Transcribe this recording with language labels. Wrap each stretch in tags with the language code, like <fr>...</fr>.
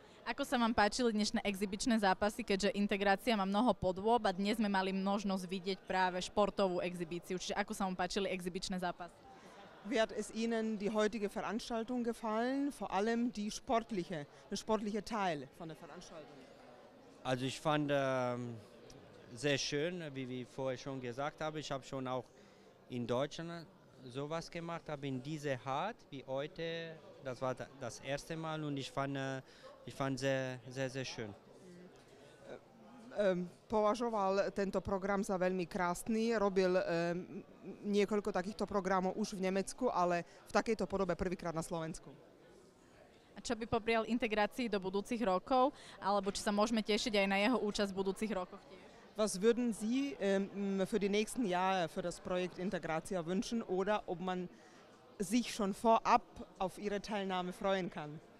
<sk>Ako sa vám páčili dnešné exibičné zápasy, keďže integrácia má mnoho podôb a dnes sme mali možnosť vidieť práve športovú exibíciu. Čiže ako sa vám páčili exibičné zápasy?</sk> <de>Wie hat es Ihnen die heutige Veranstaltung gefallen, vor allem die sportliche, der sportliche Teil von der Veranstaltung? Also ich fand sehr schön, wie vorher schon gesagt habe, ich habe schon auch in Deutschland sowas gemacht, aber in dieser Art wie heute, das war das erste Mal und ich fand sehr, sehr, sehr schön.</de> <sk>Považoval tento program za veľmi krásny, robil niekoľko takýchto programov už v Nemecku, ale v takejto podobe prvýkrát na Slovensku. A čo by poprial integrácii do budúcich rokov, alebo či sa môžeme tešiť aj na jeho účasť v budúcich rokoch?</sk> <de>Was würden Sie für die nächsten Jahre für das Projekt Integrácia wünschen oder ob man sich schon vorab auf Ihre Teilnahme freuen kann?</de>